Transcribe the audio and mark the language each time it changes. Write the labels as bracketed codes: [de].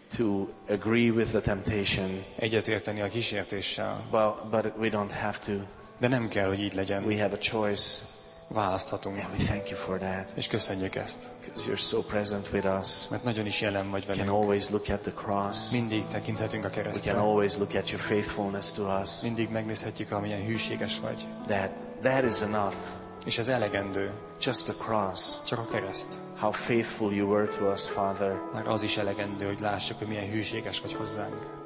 [en] To agree with the temptation. [hu] Egyetérteni a kísértéssel. [en] But we don't have to. [hu] De nem kell, hogy így legyen. [en] We have a choice. [hu] Választhatunk. [en] And we thank you for that. [hu] És köszönjük ezt. [en] Because you're so present with us. [hu] Mert nagyon is jelen vagy velünk. [en] Can always look at the cross. [hu] Mindig tekinthetünk a keresztre. [en] We can always look at your faithfulness to us. [hu] Mindig megnézhetjük, amilyen hűséges vagy. [en] That is enough. [hu] És ez elegendő. [en] Just the cross. [hu] Csak a kereszt. [en] How faithful you were to us, Father. [hu] Már az is elegendő, hogy lássuk, hogy milyen hűséges vagy hozzánk.